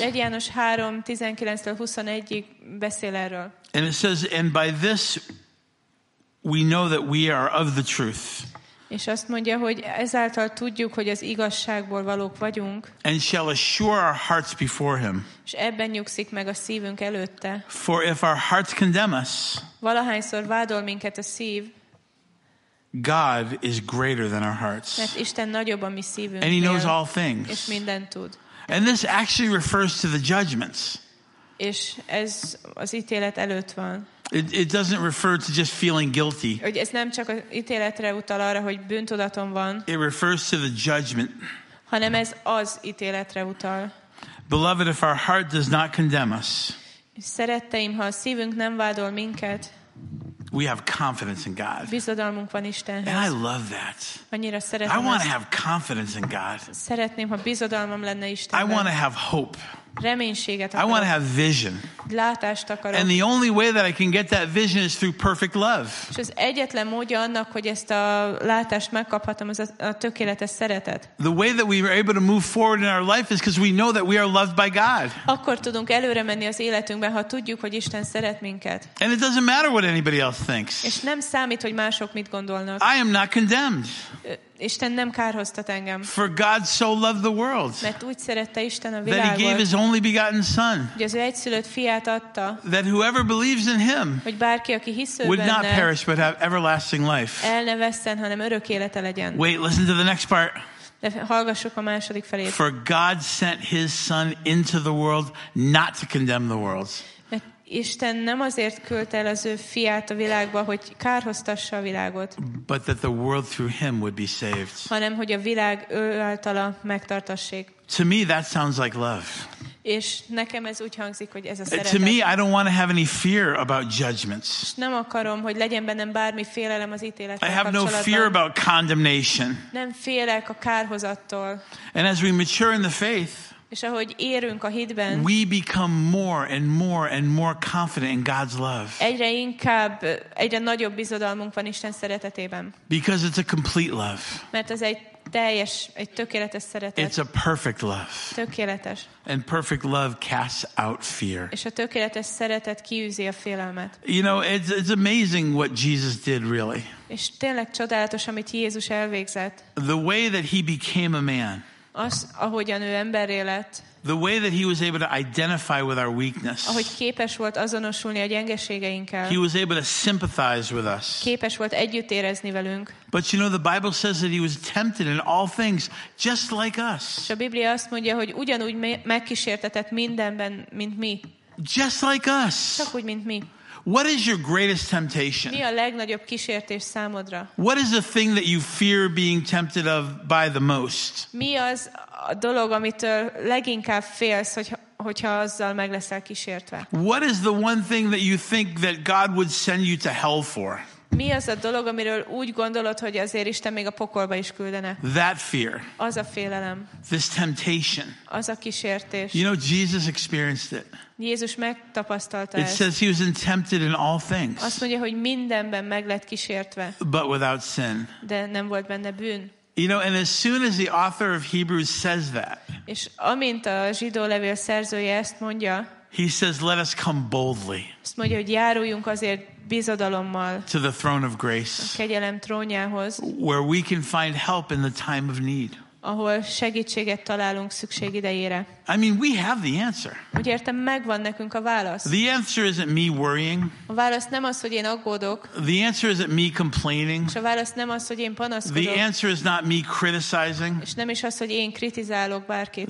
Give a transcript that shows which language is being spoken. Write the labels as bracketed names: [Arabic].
[Hungarian] 1 János 3, 19-től 21-ig beszél erről. [English] And it says, and by this we know that we are of the truth. [Hungarian] És azt mondja, hogy ezáltal tudjuk, hogy az igazságból valók vagyunk. [English] And shall assure our hearts before him. [Hungarian] És ebben nyugszik meg a szívünk előtte. [English] For if our hearts condemn us, [Hungarian] valahányszor vádol minket a szív, [English] God is greater than our hearts. [Hungarian] Mert Isten nagyobb a mi szívünk. [English] And he knows all things. [Hungarian] És mindent tud. [English] And this actually refers to the judgments. [Hungarian] És ez az ítélet előtt van. [English] It doesn't refer to just feeling guilty. [Hungarian] Hogy ez nem csak az ítéletre utal arra, hogy bűntudatom van. [English] It refers to the judgment. [Hungarian] Hanem ez az ítéletre utal. [English] Beloved, if our heart does not condemn us, [Hungarian] szeretteim, ha a szívünk nem vádol minket, [English] we have confidence in God. [Hungarian] Bizodalmunk van Istenhez. [English] And I love that. [Hungarian] Annyira szeretem. [English] I want to have confidence in God. [Hungarian] Szeretném, ha bizodalmam lenne Istenben. [English] I want to have hope. [Hungarian] Reménységet akarok. [English] I want to have vision. [Hungarian] Látást akarok. [English] And the only way that I can get that vision is through perfect love. [Hungarian] És az egyetlen módja annak, hogy ezt a látást megkaphatom, az a tökéletes szeretet. [English] The way that we are able to move forward in our life is because we know that we are loved by God. [Hungarian] Akkor tudunk előre menni az életünkben, ha tudjuk, hogy Isten szeret minket. [English] And it doesn't matter what anybody else thinks. [Hungarian] És nem számít, hogy mások mit gondolnak. [English] I am not condemned. [Hungarian] Isten nem kárhoztat engem. [English] For God so loved the world. [Hungarian] Mert úgy szerette Isten a világot. [English] That he gave his only begotten son. [Hungarian] Hogy az ő egyszülött fiát adta. [English] That whoever believes in him. [Hungarian] Hogy bárki, aki hisz ő benne. [English] Would not perish but have everlasting life. [Hungarian] El ne vesszen, hanem örök élete legyen. [English] Wait, listen to the next part. [Hungarian] De hallgassuk a második felét. [English] For God sent his son into the world not to condemn the world. [Hungarian] Isten nem azért küldte el az ő fiát a világba, hogy kárhoztassa a világot. [English] But that the world through him would be saved. [Hungarian] Hanem hogy a világ ő általa megtartassék. [English] To me that sounds like love. [Hungarian] És nekem ez úgy hangzik, hogy ez a szeretet. [English] To me I don't want to have any fear about judgments. [Hungarian] És nem akarom, hogy legyen bennem bármi félelem az ítélettel kapcsolatban. [English] I have no fear about condemnation. [Hungarian] Nem félek a kárhozattól. [English] And as we mature in the faith, [Hungarian] és ahogy érünk a hitben, [English] we become more and more and more confident in God's love. [Hungarian] Egyre inkább, egyre nagyobb bizodalmunk van Isten szeretetében. [English] Because it's a complete love. [Hungarian] Mert ez egy teljes, egy tökéletes szeretet. [English] It's a perfect love. [Hungarian] Tökéletes. [English] And perfect love casts out fear. [Hungarian] És a tökéletes szeretet kiűzi a félelmet. [English] You know, it's amazing what Jesus did, really. [Hungarian] És tényleg csodálatos, amit Jézus elvégzett. [English] The way that he became a man. [Hungarian] az, ahogyan ő emberré lett. [English] The way that he was able to identify with our weakness. [Hungarian] Ahogy képes volt azonosulni a gyengeségeinkkel. [English] He was able to sympathize with us. [Hungarian] Képes volt együtt érezni velünk. [English] But you know, the Bible says that he was tempted in all things just like us. [Hungarian] És a Biblia azt mondja, hogy ugyanúgy megkísértetett mindenben, mint mi. [English] Just like us. [Hungarian] Csak úgy, mint mi. [English] What is your greatest temptation? [Hungarian] Mi a legnagyobb kísértés számodra? [English] What is the thing that you fear being tempted of by the most? [Hungarian] Mi az a dolog, amitől leginkább félsz, hogyha azzal meg leszel kísértve? [English] What is the one thing that you think that God would send you to hell for? [Hungarian] Mi az a dolog, amiről úgy gondolod, hogy azért Isten még a pokolba is küldene? [English] That fear. [Hungarian] Az a félelem. [English] This temptation. [Hungarian] Az a kísértés. [English] You know, Jesus experienced it. [Hungarian] Jézus megtapasztalta ezt. [English] It says he was tempted in all things. [Hungarian] Azt mondja, hogy mindenben meg lett kísértve. [English] But without sin. [Hungarian] De nem volt benne bűn. [English] You know, and as soon as the author of Hebrews says that. [Hungarian] És amint a zsidó levél szerzője ezt mondja. [English] He says, let us come boldly. [Hungarian] Azt mondja, hogy járuljunk azért bizodalommal. [English] To the throne of grace. [Hungarian] A kegyelem trónjához. [English] Where we can find help in the time of need. [Hungarian] Ahol segítséget találunk szükség idejére. [English] I mean, we have the answer. [Hungarian] Úgy értem, megvan nekünk a válasz. [English] The answer isn't me worrying. [Hungarian] A válasz nem az, hogy én aggódok. [English] The answer isn't me complaining. [Hungarian] És a válasz nem az, hogy én panaszkodok. [English] The answer is not me criticizing. [Hungarian] És nem is az, hogy én kritizálok bárkit.